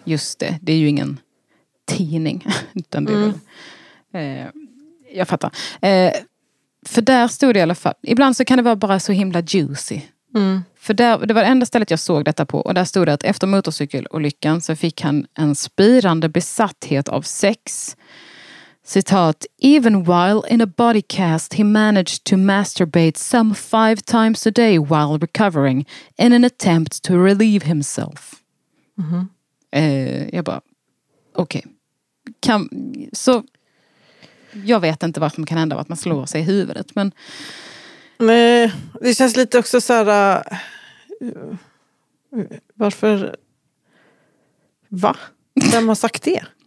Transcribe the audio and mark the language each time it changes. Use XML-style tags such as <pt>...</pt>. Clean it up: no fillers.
<sv>Just det, det är ju ingen tidning. Utan det är väl, jag fattar. För där stod det i alla fall. Ibland så kan det vara bara så himla juicy. Mm. För där, det var det enda stället jag såg detta på. Och där stod det att efter motorcykelolyckan så fick han en spirande besatthet av sex. Citat,</sv> <en>even while in a body cast he managed to masturbate some 5 times a day while recovering in an attempt to relieve himself.</en> <sv>Jag bara, okej. Okay. Så, jag vet inte vad som kan hända, att man slår sig i huvudet, men... Nej, det känns lite också så här. Varför... Va? Vem har sagt det?</sv>